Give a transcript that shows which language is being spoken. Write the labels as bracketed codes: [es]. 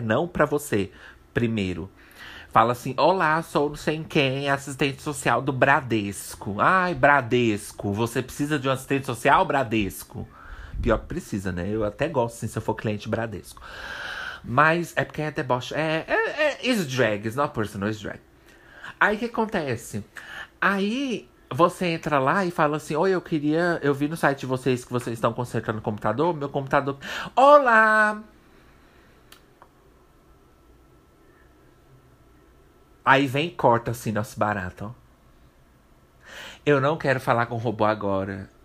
[pt] Não pra você, primeiro. Fala assim, olá, sou não sei quem, assistente social do Bradesco. Ai, Bradesco, você precisa de um assistente social, Bradesco? Pior que precisa, né? Eu até gosto, assim, se eu for cliente Bradesco. Mas é porque é deboche. [en] It's drag, it's not personal, it's drag. [pt] Aí, o que acontece? Aí, você entra lá e fala assim, oi, eu vi no site de vocês que vocês estão consertando o computador, meu computador... Olá! Aí vem e corta, assim, nosso barato, ó. Eu não quero falar com o robô agora.